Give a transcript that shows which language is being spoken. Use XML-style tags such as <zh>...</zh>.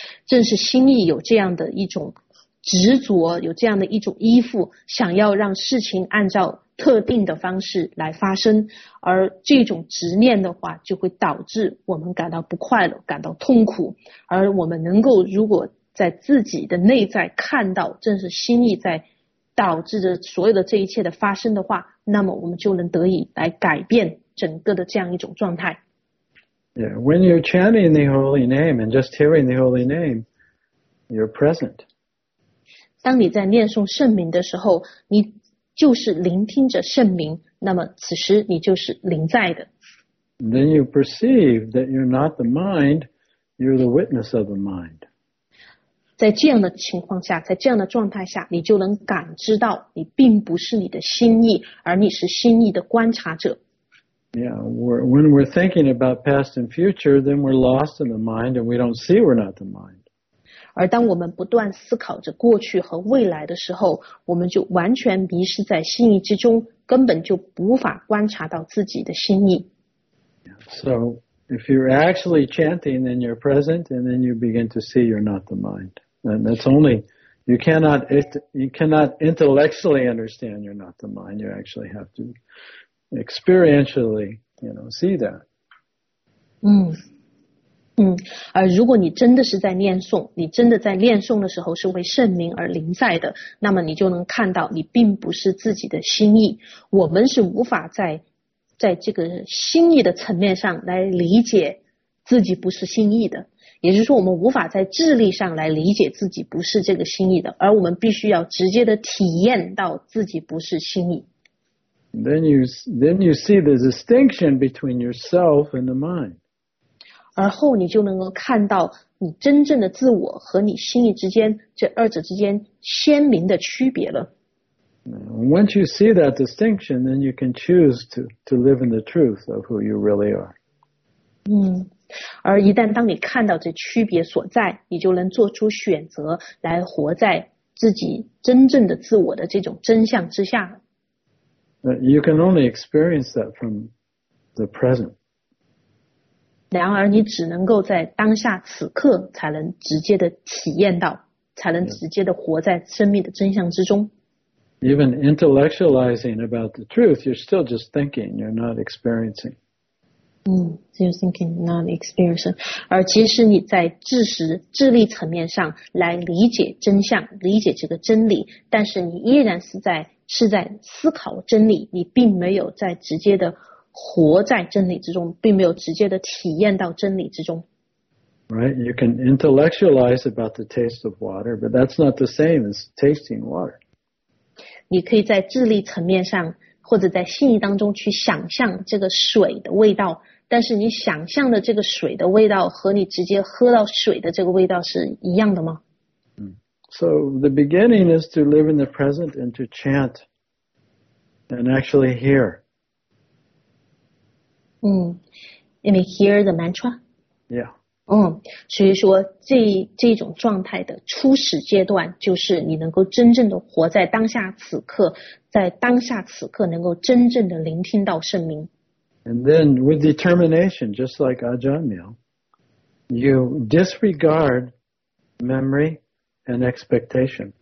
<zh>正是心意有这样的一种执着，有这样的一种依附，想要让事情按照特定的方式来发生，而这种执念的话就会导致我们感到不快乐，感到痛苦。而我们能够如果在自己的内在看到正是心意在导致着所有的这一切的发生的话，那么我们就能得以来改变整个的这样一种状态。</zh> <en>Yeah, when you're chanting the holy name and just hearing the holy name, you're present.</en> <zh>当你在念诵圣名的时候，你就是聆听着圣名，那么此时你就是临在的。</zh> <en>Then you perceive that you're not the mind, you're the witness of the mind.</en> <zh>在这样的情况下，在这样的状态下，你就能感知到你并不是你的心意，而你是心意的观察者。</zh> <en>Yeah, when we're thinking about past and future, then we're lost in the mind and we don't see we're not the mind.</en> <zh>而当我们不断思考着过去和未来的时候，我们就完全迷失在心意之中，根本就无法观察到自己的心意。</zh> <en>So... If you're actually chanting, then you're present, and then you begin to see you're not the mind. And that's only, you cannot intellectually understand you're not the mind. You actually have to experientially, you know, see that.</en> <zh>而如果你真的是在念诵，你真的在念诵的时候是为圣名而临在的，那么你就能看到你并不是自己的心意。我们是无法在这个心意的层面上来理解自己不是心意的，也就是说我们无法在智力上来理解自己不是这个心意的，而我们必须要直接的体验到自己不是心意。</zh> <en>Then you see the distinction between yourself and the mind.</en> <zh>而后你就能够看到你真正的自我和你心意之间，这二者之间鲜明的区别了。</zh> <en>Once you see that distinction, then you can choose to live in the truth of who you really are.</en> <zh>而一旦当你看到这区别所在，你就能做出选择来活在自己真正的自我的这种真相之下。</zh> <en>You can only experience that from the present.</en> <zh>然而你只能够在当下此刻才能直接的体验到，才能直接的活在生命的真相之中。</zh> <en>Even intellectualizing about the truth, you're still just thinking, you're not experiencing. You're thinking, not experiencing.</en> <zh>而即使你在智力层面上来理解真相，理解这个真理，但是你依然是在思考真理，你并没有在直接的活在真理之中，并没有直接的体验到真理之中。</zh> <en>Right? You can intellectualize about the taste of water, but that's not the same as tasting water.</en> <zh>你可以在智力层面上或者在心意当中去想象这个水的味道，但是你想象的这个水的味道和你直接喝到水的这个味道是一样的吗？</zh> <en>So the beginning is to live in the present and to chant and actually hear. You mean hear the mantra? Yeah.</en> <zh>所以说这种状态的初始阶段就是你能够真正的活在当下此刻，在当下此刻能够真正的聆听到圣名。</zh> <en>And then with determination, just like Ajahn Mill, you disregard memory and expectation.</en>